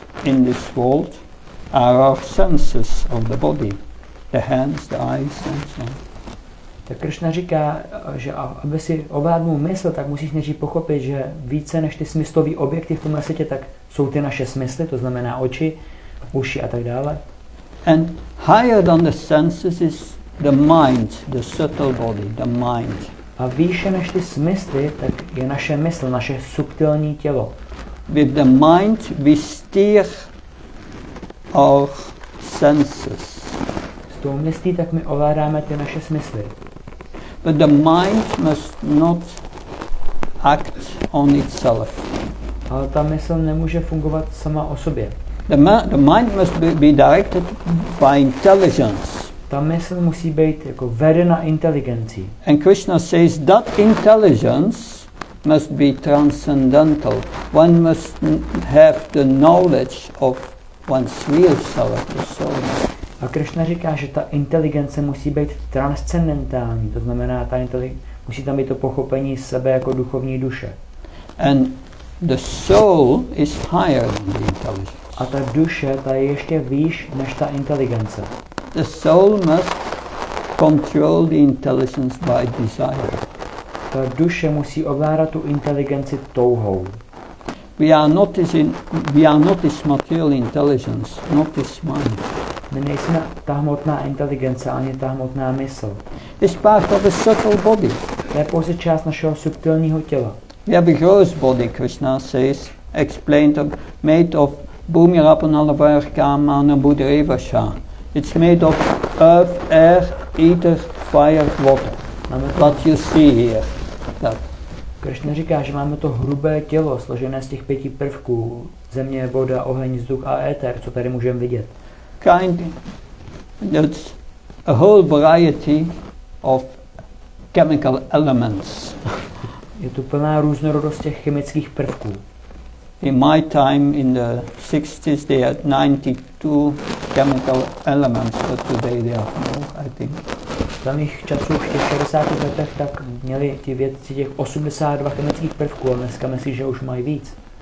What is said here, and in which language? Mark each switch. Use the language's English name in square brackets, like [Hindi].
[English] in this world are our senses of the body, the hands, the eyes, and so on. [Czech] Tak Krishna říká, že aby si ovládnul mysl, tak musíš nejdřív pochopit, že více než ty smyslové objekty v tomhle světě, tak jsou ty naše smysly, to znamená oči, uši a tak dále. [English] And higher than the senses is the mind, the subtle body, the mind. [Czech] A výše než ty smysly, tak je naše mysl, naše subtilní tělo. [English] With the mind we steer our senses. [Czech] S tou myslí tak my ovládáme ty naše smysly. [English] But the mind must not act on itself. [Czech] Ale ta mysl nemůže fungovat sama o sobě. [English] The mind must be directed by intelligence. [Czech] Ta mysl musí být jako vedena inteligencí. [English] And Krishna says that intelligence must be transcendental. One must have the knowledge of one's real self, the soul. [Czech] A Krishna říká, že ta inteligence musí být transcendentální. To znamená, ta musí tam být to pochopení sebe jako duchovní duše. [English] And the soul is higher than the intelligence. [Czech] A ta duše, ta je ještě výš než ta inteligence. [English] The soul must control the intelligence by desire. [Czech] Ta duše musí ovládat tu inteligenci touhou. [English] We are not this material intelligence, not this mind. [Czech] My nejsme ta hmotná inteligence, ani ta hmotná mysl. [English] It's part of the subtle body. [Czech] To je pouze část našeho subtilního těla. [English] We have a gross body, Krishna says, explained, made of Bhumirapanalavarakamanabudrevasha. It's made of earth, air, ether, fire, water. [Czech] Máme to, [English] what you see here. That. [Czech] Krishna říká, že máme to hrubé tělo, složené z těch pěti prvků. Země, voda, oheň, vzduch a éter, co tady můžeme vidět. [English] Kind. That's a whole variety of chemical elements. [Czech] Je tu plná různorodost těch chemických prvků. [English] In my time in the 60s they had 92 chemical elements, but today they have more, I think. [Czech] Za mých časů v těch 60. letech tak měli ti vědci těch 82 chemických prvků, ale dneska myslím, že už mají víc.